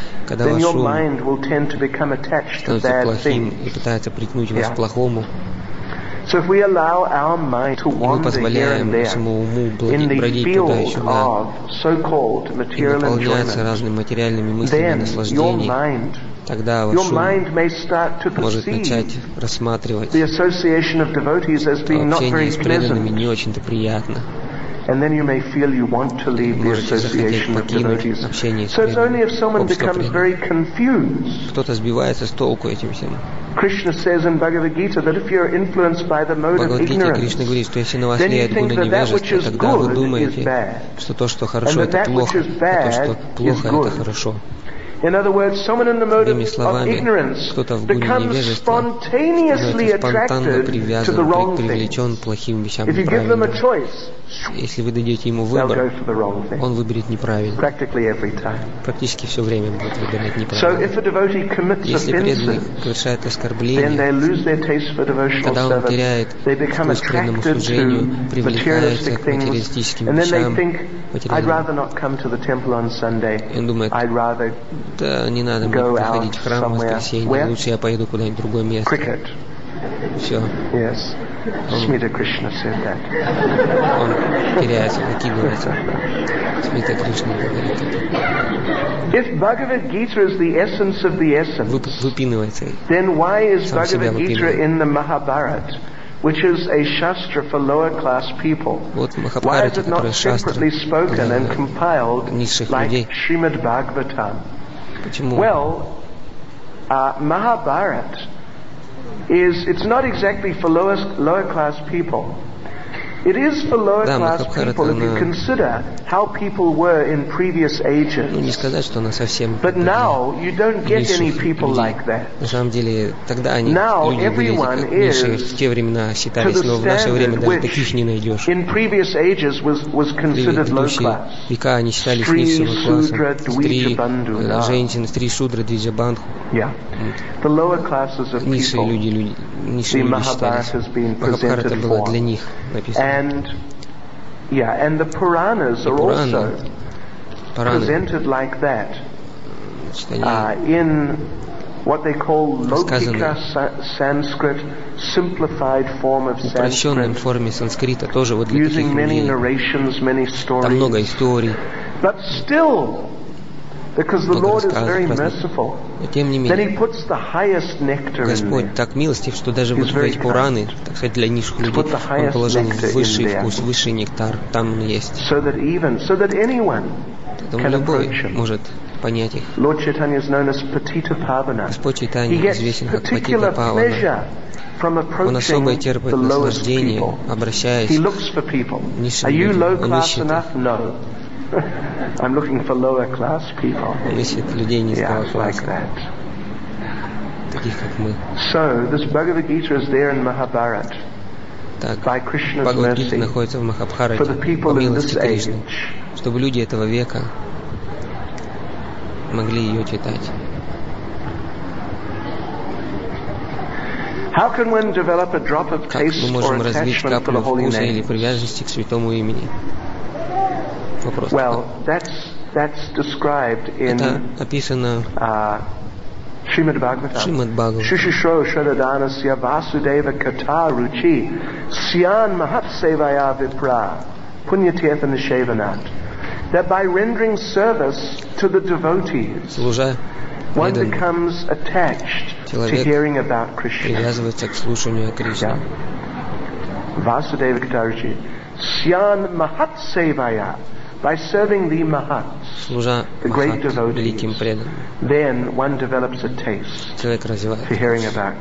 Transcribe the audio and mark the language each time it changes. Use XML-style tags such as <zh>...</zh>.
<ru>Когда ваш ум становится плохим и пытается притянуть вас к плохому, мы позволяем нашему уму бродить туда и сюда и наполняться разными материальными мыслями наслаждений, тогда ваш ум может начать рассматривать, что общение с преданными не очень-то приятно.</ru> <en>And then you may feel you want to leave the association of devotees. So it's only if someone becomes very confused.</en> <ru>Кто-то сбивается с толку этим всем.</ru> <en>Krishna says in Bhagavad Gita that if you are influenced by the mode of ignorance, then you think that that which is good is bad,</en> <ru>что то, что хорошо, это плохо, а то, что плохо, это хорошо.</ru> <en>In other words, someone in the mode of ignorance becomes spontaneously attracted to the wrong things. If you give them a choice, they'll go for the wrong thing. Practically every time.</en> <ru>Практически все время будет выбирать неправильно.</ru> <en>So if a devotee commits offenses, then they lose their taste for devotional service. They become attracted to materialistic things, and then they think, I'd rather not come to the temple on Sunday. I'd rather</en> <ru>да, не надо мне приходить в храм в воскресенье.</ru> <en>Where?</en> <ru>Лучше я поеду куда-нибудь в другое место.</ru> <en>Cricket.</en> <ru>Все.</ru> <en>Yes. Смита Кришна said that.</en> <ru>Он теряется, выкидывается. Смита Кришна говорит это.</ru> <en>If Bhagavad Gita is the essence of the essence,</en> <ru>выпинывается.</ru> <en>Then why is Bhagavad Gita in the Mahabharata, which is a shastra for lower class people?</en> <ru>Вот Махабхарата, которая шастра для низших людей.</ru> <en>Why is it not simply spoken and compiled like Shrimad Bhagavatam?</en> <ru>Почему?</ru> <en>Well, Mahabharat is—it's not exactly for lower class people. It is for lower class people if you consider how people were in previous ages.</en> <ru>Ну, не сказать, что она совсем.</ru> <en>But now you don't get any people like that.</en> <ru>На самом деле тогда они люди были низшие. В те времена считались, но в наше время даже таких не найдешь.</ru> <en>In previous ages was considered low class.</en> <ru>Века они считались низшего класса. Три женщины, три шудры, двиджабандху.</ru> <en>Yeah. The lower classes of</en> <ru>низшие люди, низшие люди считались. Махабхарата была для них написана.</ru> <en>And yeah, and the Puranas are also presented like that in what they call Laukika Sanskrit, simplified form of Sanskrit.</en> <ru>Упрощенном форме санскрита тоже вот для</ru> <en>using</en> <ru>таких людей.</ru> <en>Many narrations, many stories.</en> <ru>Там много историй.</ru> <en>But still, because the Lord is very merciful, then he puts the highest nectar in.</en> <ru>Господь так милостив, что даже вот эти пураны, так сказать, для низших людей, он положил высший вкус, высший нектар, там есть.</ru> <en>So that anyone can approach him.</en> <ru>Понять их.</ru> <en>Lord Chaitanya is known as Patita Pavana.</en> <ru>Господь Чайтанья известен как Патита Павана. Он особо терпит наслаждение, обращаясь к низшим людям. Он ищет их.</ru> <en>No. I'm looking for lower class people.</en> <ru>Он ищет людей низкого класса. Таких, как мы.</ru> <en>So, this Bhagavad Gita is there in Mahabharata. By Krishna's mercy.</en> <ru>Bhagavad Gita находится в Махабхарате.</ru> <en>For the people in this age.</en> <ru>Чтобы люди этого века могли ее читать.</ru> <en>How can one develop a drop of taste</en> <ru>как мы можем развить каплю вкуса или привязанности к святому имени? Вопрос.</ru> <en>Well, that's described in</en> <ru>это описано Шримад Бхагаватам.</ru> <sa>Шишишо шададанасья васудева ката ручи сьян махатсевая випра пуньятьеха нишеванат.</sa> <en>That by rendering service to the devotees, one becomes attached to hearing about Krishna.</en> <ru>Привязывается к слушанию о Кришне.</ru> <sa>Васудева Катаруджи. Сьян махат севая.</sa> <en>By serving the Mahats,</en> <ru>служа</ru> <en>the great devotees,</en> <ru>великим преданным,</ru> <en>then one develops a taste for hearing about</en>